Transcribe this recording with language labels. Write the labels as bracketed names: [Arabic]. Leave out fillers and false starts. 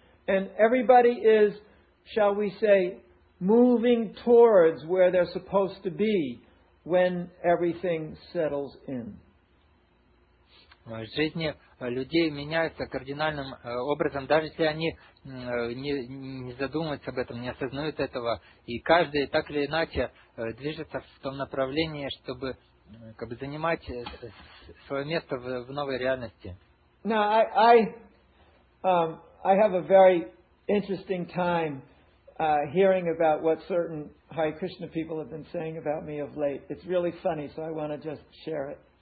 [English] And everybody is, shall we say, moving towards where they're supposed to be when everything settles in. [Russian] Жизни людей меняются кардинальным образом, даже если они не задумываются об этом, не осознают этого. И каждый так или иначе движется в том направлении, чтобы как бы занимать свое место в новой реальности. [English] Now, I have a very interesting time hearing about what certain Hare Krishna people have been saying about me of late. It's really funny, so I want to just share it.